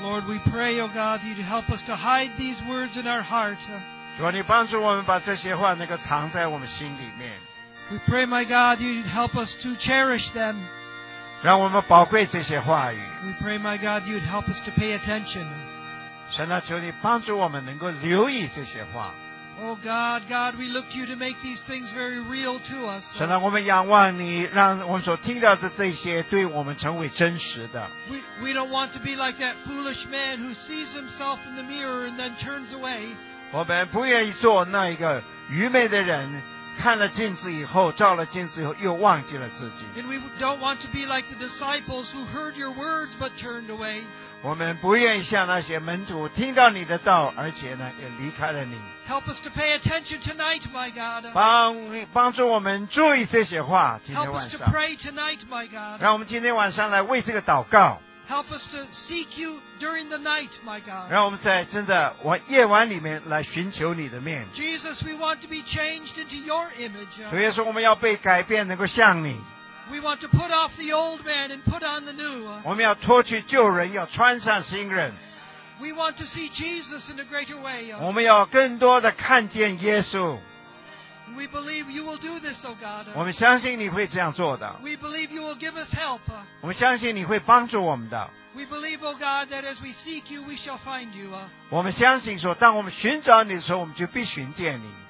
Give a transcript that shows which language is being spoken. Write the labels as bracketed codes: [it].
[en] Lord, we pray, O God, you'd help us to hide these words in our hearts. [zh] 主啊，你帮助我们把这些话能够藏在我们心里面。 [en] We pray, my God, you'd help us to cherish them. [zh] 让我们宝贵这些话语。 [en] We pray, my God, you'd help us to pay attention. [zh] 神啊，求你帮助我们能够留意这些话。 [en] Oh God, God, we look to you to make these things very real to us. [zh] 神啊，我们仰望你，让我们所听到的这些对我们成为真实的。 [en] We don't want to be like that foolish man who sees himself in the mirror and then turns away. [zh] 我们不愿意做那一个愚昧的人，看了镜子以后，照了镜子以后，又忘记了自己。 [en] And we don't want to be like the disciples who heard your words but turned away. [zh] 我们不愿意像那些门徒，听到你的道，而且呢，也离开了你。 [en] Help us to pay attention tonight, my God. [zh] 帮助我们注意这些话，今天晚上。 [en] Help us to pray tonight, my God. [zh] 让我们今天晚上来为这个祷告。 [en] Help us to seek you during the night, my God. [zh] 让我们在真的夜晚里面来寻求你的面。 [en] Jesus, we want to be changed into your image. [zh] 主耶稣，我们要被改变，能够像你。 [en] We want to put off the old man and put on the new. [zh] 我们要脱去旧人，要穿上新人。 [en] We want to see Jesus in a greater way. [zh] 我们要更多的看见耶稣。 [en] We believe you will do this, O God. [zh] 我们相信你会这样做的。 [en] We believe you will give us help. [zh] 我们相信你会帮助我们的。 [en] We believe, O God, that as we seek you, we shall find you. [zh] 我们相信说，当我们寻找你的时候，我们就必寻见你。